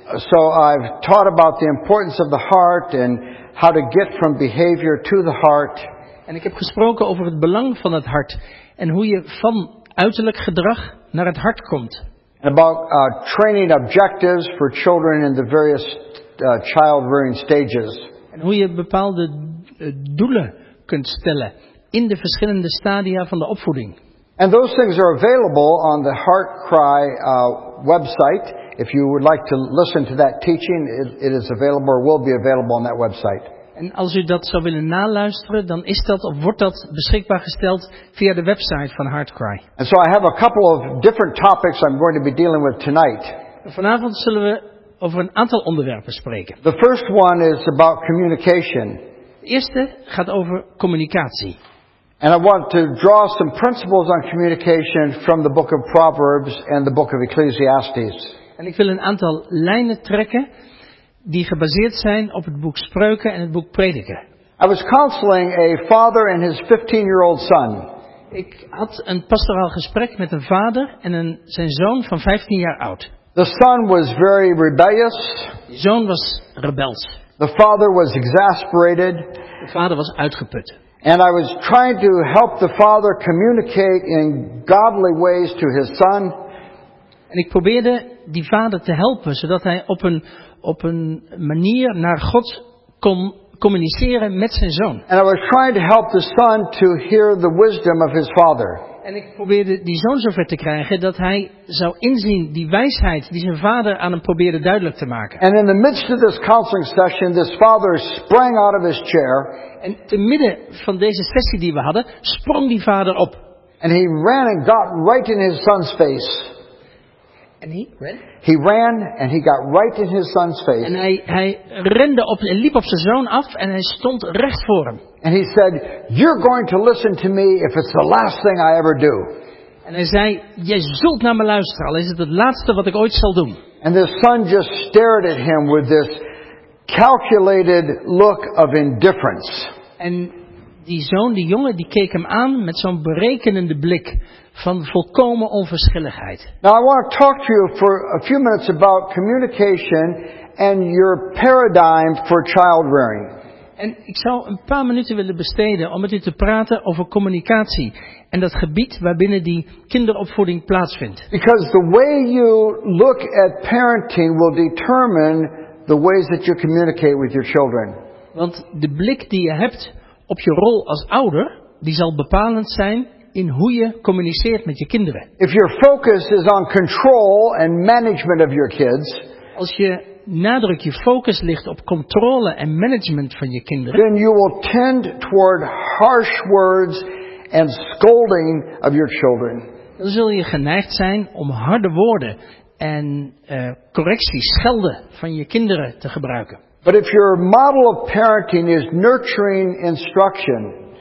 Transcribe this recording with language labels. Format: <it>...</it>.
<en>So I've taught about the importance of the heart and how to get from behavior to the heart.</en> <nl>En ik heb gesproken over het belang van het hart en hoe je van uiterlijk gedrag naar het hart komt.</nl> <en>About training objectives for children in the various child rearing stages.</en> <nl>En hoe je bepaalde doelen kunt stellen in de verschillende stadia van de opvoeding.</nl> <en>And those things are available on the Heart Cry website. If you would like to listen to that teaching, it is available or will be available on that website.</en> <nl>En als u dat zou willen naluisteren, dan is dat of wordt dat beschikbaar gesteld via de website van Heart Cry.</nl> <en>And so I have a couple of different topics I'm going to be dealing with tonight.</en> <nl>Vanavond zullen we over een aantal onderwerpen spreken.</nl> <en>The first one is about communication.</en> <nl>De eerste gaat over communicatie.</nl> <en>And I want to draw some principles on communication from the book of Proverbs and the book of Ecclesiastes.</en> <nl>En ik wil een aantal lijnen trekken die gebaseerd zijn op het boek Spreuken en het boek Prediker.</nl> <en>I was counseling a father and his 15-year-old son.</en> <nl>Ik had een pastoraal gesprek met een vader en zijn zoon van 15 jaar oud.</nl> <en>The son was very rebellious.</en> <nl>De zoon was rebels.</nl> <en>The father was exasperated.</en> <nl>De vader was uitgeput.</nl> <en>And I was trying to help the father communicate in godly ways to his son.</en> <nl>En ik probeerde die vader te helpen zodat hij op een manier naar God kon communiceren met zijn zoon.</nl> <en>And I was trying to help the son to hear the wisdom of his father.</en> <nl>En ik probeerde die zoon zover te krijgen dat hij zou inzien die wijsheid die zijn vader aan hem probeerde duidelijk te maken.</nl> <en>And in the midst of this counseling session, this father sprang out of his chair.</en> <nl>En te midden van deze sessie die we hadden, sprong die vader op.</nl> <en>And he ran and got right in his son's face. And he ran? He ran and he got right in his son's face.</en> <nl>En hij rende op en liep op zijn zoon af en hij stond recht voor hem.</nl> <en>And he said, "You're going to listen to me if it's the last thing I ever do."</en> <nl>En hij zei, "Jij zult naar me luisteren, al is het het laatste wat ik ooit zal doen."</nl> <en>And the son just stared at him with this calculated look of indifference.</en> <nl>En die zoon, die jongen, die keek hem aan met zo'n berekenende blik van volkomen onverschilligheid.</nl> <en>Now I want to talk to you for a few minutes about communication and your paradigm for child rearing.</en> <nl>En ik zou een paar minuten willen besteden om met u te praten over communicatie en dat gebied waarbinnen die kinderopvoeding plaatsvindt.</nl> <en>Because the way you look at parenting will determine the ways that you communicate with your children.</en> <nl>Want de blik die je hebt op je rol als ouder, die zal bepalend zijn in hoe je communiceert met je kinderen.</nl> <en>If your focus is on control and management of your kids,</en> <nl>als je nadruk je focus ligt op controle en management van je kinderen,</nl> <en>then you will tend toward harsh words and scolding of your children.</en> <nl>Dan zul je geneigd zijn om harde woorden en correcties, schelden van je kinderen te gebruiken.</nl> <en>But if your model of parenting is nurturing instruction,</en>